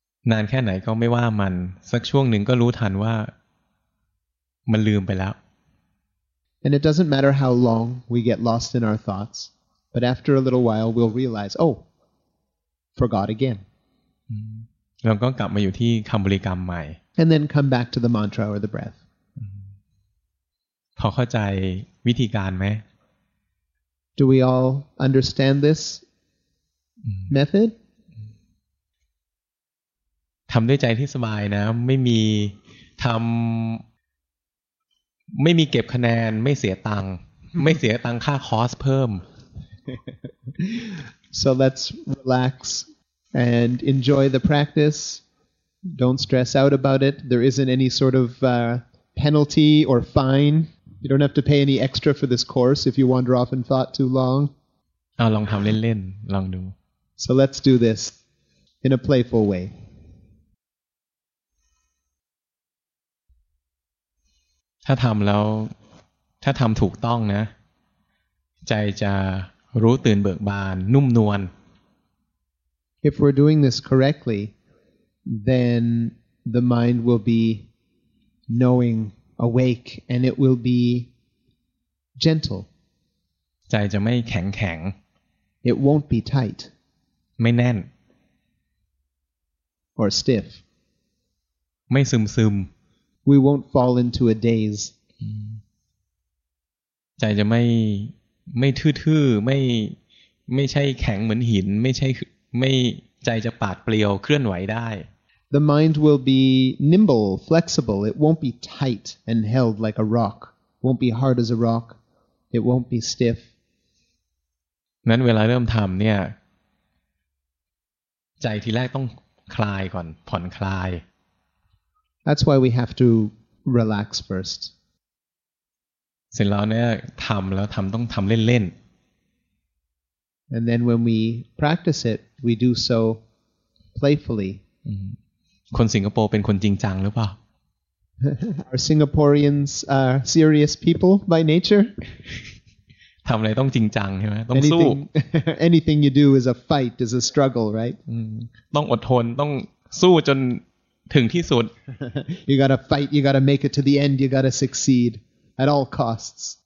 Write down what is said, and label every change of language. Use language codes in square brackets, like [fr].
[th] นานแค่ไหนก็ไม่ว่ามันสักช่วงหนึ่งก็รู้ทันว่ามันลืมไปแล้ว [en] And it doesn't matter how long we get lost in our thoughts but after a little while we'll realize oh forgot again [th] เราก็กลับมาอยู่ที่คำบริกรรมใหม่ [en] And then come back to the mantra or the breath [th] พอเข้าใจวิธีการไหม [en] Do we all understand this method? [th] ทำด้วยใจที่สบายนะไม่มีทำไม่มีเก็บคะแนนไม่เสียตังค์ไม่เสียตังค่าคอร์สเพิ่ม [en] So let's relax and enjoy the practice. Don't stress out about it. There isn't any sort of penalty or fine. You don't have to pay any extra for this course if you wander off in thought too long. [th] ลองทำเล่นๆลองดู [en] So let's do this in a playful way. [th] ถ้าทำแล้วถ้าทำถูกต้องนะใจจะรู้ตื่นเบิกบานนุ่มนวล [en] If we're doing this correctly, then the mind will be knowing. Awake and it will be gentle. [th] ใจจะไม่แข็ง [en] ๆ It won't be tight. [th] ไม่แน่น [en] Or stiff. [th] ใ ไม่ซึมซึม [en] We won't fall into a daze [th] ใจจะไม่ทื่อๆไม่ใช่แข็งเหมือนหินไม่ใจจะปาดเปรียวเคลื่อนไหวได้ [en] The mind will be nimble flexible it won't be tight and held like a rock won't be hard as a rock it won't be stiff [th] นั้นเวลาเริ่มทำเนี่ยใจทีแรกต้องคลายก่อนผ่อนคลาย [en] That's why we have to relax first. [th] เสร็จแล้วเนี่ยทำแล้วทำต้องทำเล่น [en] ๆ And then when we practice it, we do so playfully. [th] คนสิงคโปร์เป็นคนจริงจังหรือเปล่า [en] Are Singaporeans serious people by nature? [th] ทำอะไรต้องจริงจังใช่ไหมต้องสู้ [en] Anything you do is a fight, is a struggle, right? [th] ต้องอดทนต้องสู้จนถึงที่สุด [en] You gotta fight, you gotta make it to the end, you gotta succeed at all costs.